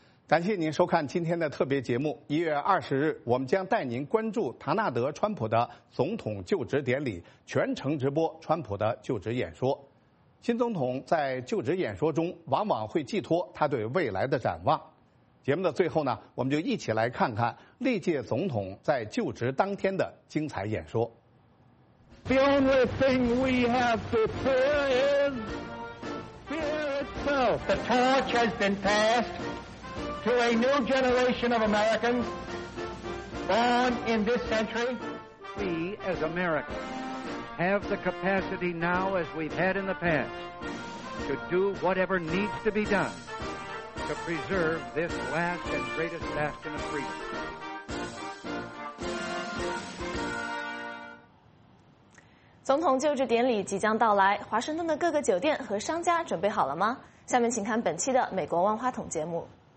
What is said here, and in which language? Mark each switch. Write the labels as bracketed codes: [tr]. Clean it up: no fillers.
[zh] 感谢您收看今天的特别节目。1月20日，我们将带您关注唐纳德·川普的总统就职典礼，全程直播川普的就职演说。新总统在就职演说中往往会寄托他对未来的展望。节目的最后呢，我们就一起来看看历届总统在就职当天的精彩演说。 [en] The only thing we have to fear is fear itself. The torch has been passed. To a new generation of Americans born in this century, we as Americans have the capacity now as we've had in the past to do whatever needs to be done to preserve this last and greatest bastion of freedom. [zh] 总统就职典礼即将到来，华盛顿的各个酒店和商家准备好了吗？下面请看本期的美国万花筒节目。